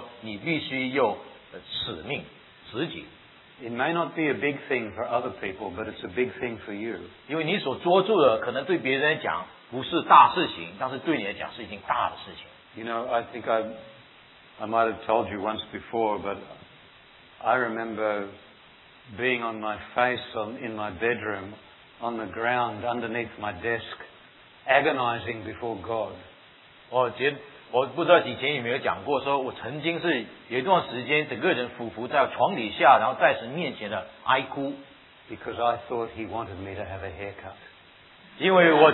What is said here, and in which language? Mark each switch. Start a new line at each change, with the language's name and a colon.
Chinese: 而那时候你就知道为什么耶稣讲说你必须要舍命自己。
English: It may not be a big thing for other people, but it's a big thing for you.
Chinese: 因为你所捉住的可能对别人来讲不是大事情,但是对你来讲是一件大的事情。
English: You know, I think I might have told you once before, but I remember being on my face in my bedroom, on the ground, underneath my desk, agonizing before God.
Chinese: 我不知道以前有没有讲过,说我曾经是有一段时间整个人匍匐在床底下,然后在神面前的哀哭。
English: Because I thought he wanted me to have a haircut.